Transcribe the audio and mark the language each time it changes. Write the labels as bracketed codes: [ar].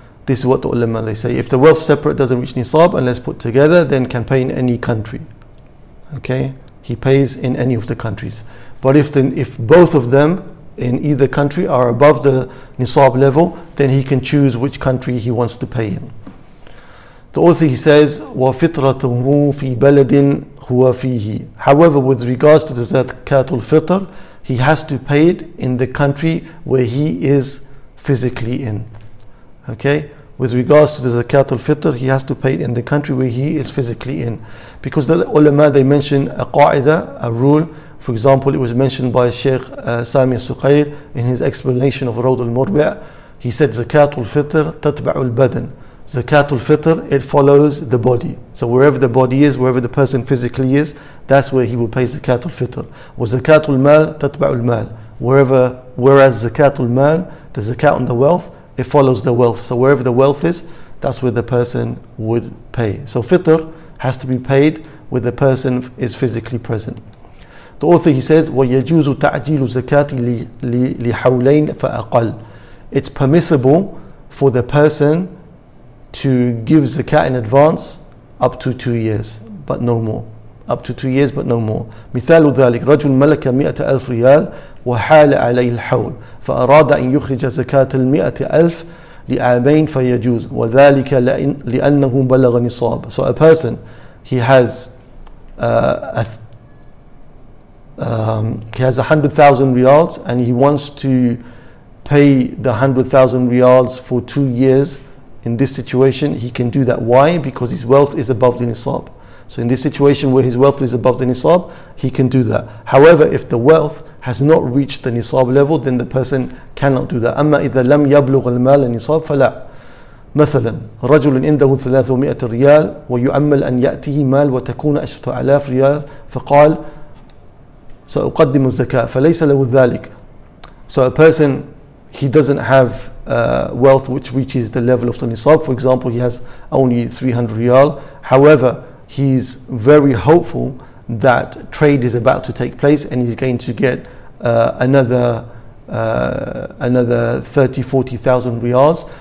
[en] This is what the ulama, they say. If the wealth separate doesn't reach nisab unless put together, then can pay in any country. Okay? He pays in any of the countries. But if both of them in either country are above the nisab level, then he can choose which country he wants to pay in. The author, he says, [ar] وَفِطْرَتُهُ فِي بَلَدٍ هُوَ فِيهِ. [en] However, with regards to the zakatul fitr, he has to pay it in the country where he is physically in. Okay? With regards to the zakatul fitr, he has to pay it in the country where he is physically in. Because the ulama, they mention a qa'idah, a rule. For example, it was mentioned by Sheikh Sami Suqayr in his explanation of Raud al-Murbi'. He said, [ar] zakatul fitr tatba'u al-badan. [en] Zakatul fitr, it follows the body. So wherever the body is, wherever the person physically is, that's where he will pay zakatul fitr. [ar] Zakatul mal, tatba'ul mal. [en] Whereas zakatul mal, the zakat on the wealth, it follows the wealth. So wherever the wealth is, that's where the person would pay. So fitr has to be paid where the person is physically present. The author, he says, [ar] وَيَجُوزُ تَعْجِيلُ زَكَاتِ لِحَوْلَيْنِ فَأَقَلْ. [en] It's permissible for the person to give zakat in advance up to 2 years, but no more. Up to 2 years, but no more. [ar] مثال ذلك رجل ملك 100,000 ريال وحال عليه الحول فأراد أن يخرج زكاة 100,000 لعامين فيجوز وذلك لأنه بلغ نصاب. [en] So a person, he has 100,000 riyals and he wants to pay the 100,000 riyals for 2 years. In this situation, he can do that. Why? Because his wealth is above the nisab. So in this situation where his wealth is above the nisab, he can do that. However, if the wealth has not reached the nisab level, then the person cannot do that. [ar] أما إذا لم يبلغ المال النصاب فلا. مثلا رجل عنده 300 ريال ويعمل أن يأتيه مال وتكون 10,000 ريال فقال سأقدم الزكاة فليس له ذلك. [en] So a person, he doesn't have wealth which reaches the level of the nisab. For example, he has only 300 riyal. However, he's very hopeful that trade is about to take place and he's going to get another 30,000-40,000 riyals.